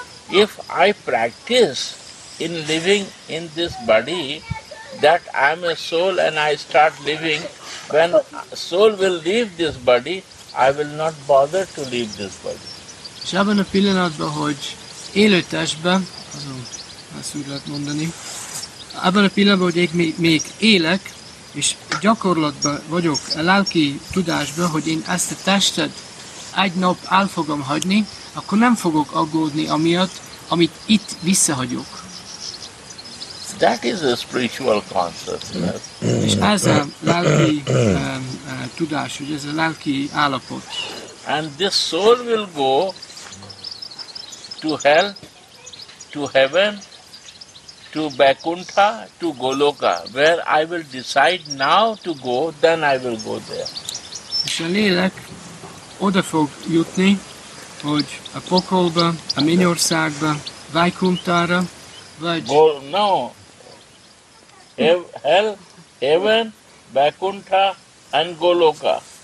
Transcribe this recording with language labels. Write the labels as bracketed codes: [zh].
[en] If I practice in living in this body, that I'm a soul and I start living, when soul will leave this body, I will not bother to leave this body. [hu] És ebben a pillanatban, hogy élő testben, azon ezt úgy lehet mondani, ebben a pillanatban, hogy még élek, és gyakorlatban vagyok a lelki tudásban, hogy én ezt a testet egy nap el fogom hagyni, akkor nem fogok aggódni amiatt, amit itt visszahagyok. [en] That is a spiritual concept. [hu] És ez a lelki tudás, hogy ez a lelki állapot. [en] And this soul will go to hell, to heaven, to Vaikuntha, to Goloka, where I will decide now to go, then I will go there. [hu] És a lélek oda fog jutni, hogy a pokolba, a mennyországba, Vaikunthára, vagy... [en] No. Hell, heaven, Vaikuntha, and Goloka.